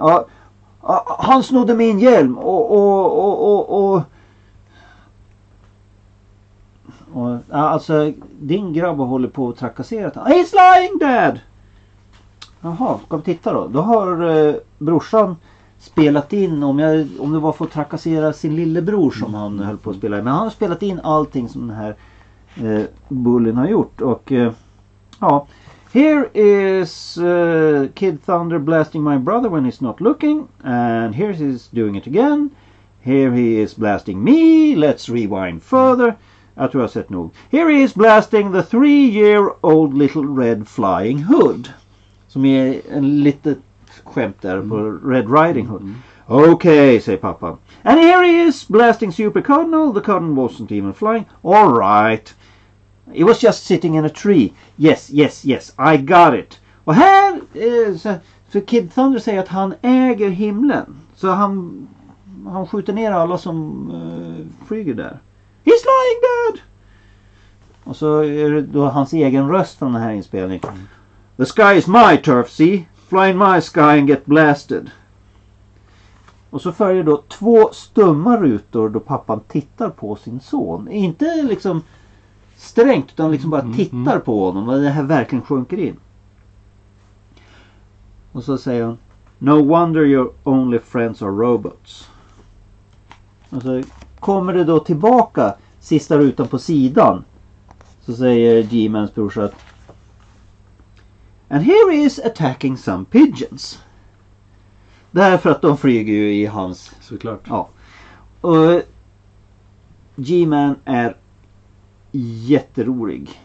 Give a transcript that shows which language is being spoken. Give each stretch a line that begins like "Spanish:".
Swedish: Ah, han snodde min hjälm och alltså din grabb håller på att trakassera.
English: He's lying dad!
Swedish: Jaha, kom titta då. Då har brorsan spelat in, om det var för att trakassera sin lillebror som han höll på att spela in. Men han har spelat in allting som den här bullen har gjort. Och ja.
English: Here is Kid Thunder blasting my brother when he's not looking. And here he is doing it again. Here he is blasting me. Let's rewind further.
Swedish: Jag tror jag har sett nog.
English: Here he is blasting the 3-year-old little red flying hood.
Swedish: Som är en litet skämt där på Red Riding Hood.
English: Okay,
Swedish: säger pappa.
English: And here he is blasting Super Cardinal. The Cardinal wasn't even flying. All right. It was just sitting in a tree. Yes, yes, yes. I got it.
Swedish: Och här för Kid Thunder säger att han äger himlen. Så han skjuter ner alla som flyger där.
English: He's lying dead!
Swedish: Och så är det då hans egen röst från den här inspelningen.
English: The sky is my turf, see? Fly in my sky and get blasted.
Swedish: Och så följer då två stumma rutor då pappan tittar på sin son. Inte liksom strängt, utan liksom bara tittar på honom. Och det här verkligen sjunker in. Och så säger han,
English: No wonder your only friends are robots.
Swedish: Alltså, kommer det då tillbaka sista rutan på sidan, så säger G-mans brorsa att
English: and here he is attacking some pigeons.
Swedish: Därför att de flyger ju i hans... Såklart. Ja. Och G-man är jätterolig.